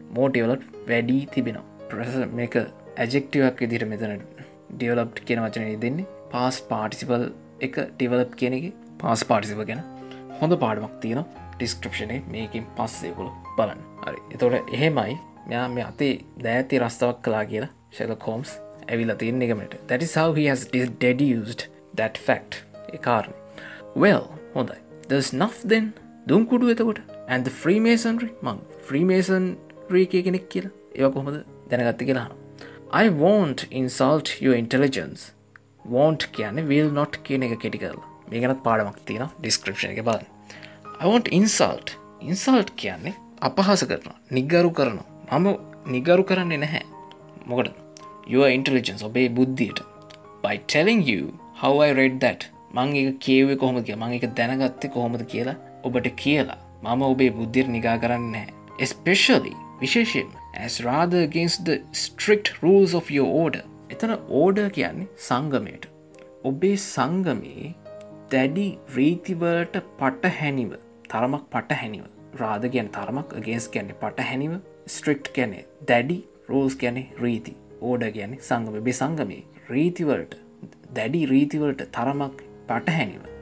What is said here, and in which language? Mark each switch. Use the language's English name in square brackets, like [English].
[Sinhala] more developed වැඩි තිබෙනවා. present මේක adjective එකක් විදිහට මෙතන developed කියන වචනේ දෙන්නේ. පාස් පාටිසිපල් එක ඩිවලප් කියන එක පාස් පාටිසිපල් ගැන හොඳ පාඩමක් තියෙනවා ඩිස්ක්‍රිප්ෂනේ මේකින් පස්සේ ඔයගොල්ලෝ බලන්න. හරි. එතකොට එහෙමයි මෙයා මේ අතේ දෑති රස්තාවක් කළා කියලා Sherlock Holmes ඇවිල්ලා තියෙන එකමිට. [English] That is how he has deduced that fact. [Sinhala] ඒ කාරණේ. Well, හොඳයි. There's nothing දුම් කුඩු එතකොට. And the Freemasonry මං Freemasonry කෙනෙක් කියලා. ඒක කොහොමද දැනගත්තේ කියලා අහනවා. I won't insult your intelligence. won't කියන්නේ will not කියන එක කෙටි කරලා. මේක ගැනත් පාඩමක් තියෙනවා description එකේ බලන්න. I won't insult. insult කියන්නේ අපහාස කරනවා, නිගරු කරනවා. මම නිගරු කරන්නේ නැහැ. මොකටද? your intelligence ඔබේ බුද්ධියට. [English] by telling you how I read that. [Sinhala] මම ඒක කියුවේ කොහොමද කියලා, මම ඒක දැනගත්තේ කොහොමද කියලා ඔබට කියලා. මම ඔබේ බුද්ධිය නිගා කරන්නේ නැහැ. [English] especially විශේෂයෙන් as rather against the strict rules of your order. [Sinhala] එතන ඕඩර් කියන්නේ සංගමයට. ඔබේ සංගමේ දැඩි රීතිවලට පටහැනිව, තරමක් පටහැනිව. රාද කියන්නේ තරමක්, අගේන්ස්ට් කියන්නේ පටහැනිව, ස්ට්‍රික්ට් කියන්නේ දැඩි, රූල්ස් කියන්නේ රීති. ඕඩර් කියන්නේ සංගම. ඔබේ සංගමේ රීතිවලට, දැඩි රීතිවලට තරමක් පටහැනිව.